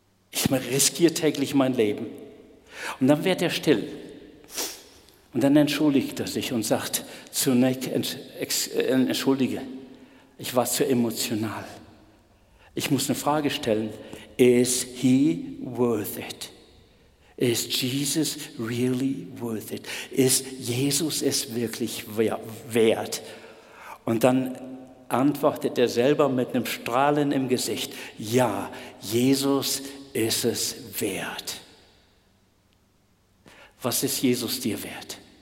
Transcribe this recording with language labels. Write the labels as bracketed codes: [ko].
[de] Ich riskiere täglich mein Leben. Und dann wird er still. Und dann entschuldigt er sich und sagt zu Nick, entschuldige, ich war zu emotional. Ich muss eine Frage stellen. [en] Is he worth it? Is Jesus really worth it? [de] Ist Jesus es wirklich wert? Und dann antwortet er selber mit einem Strahlen im Gesicht. Ja, Jesus ist es wert. Was ist Jesus dir wert?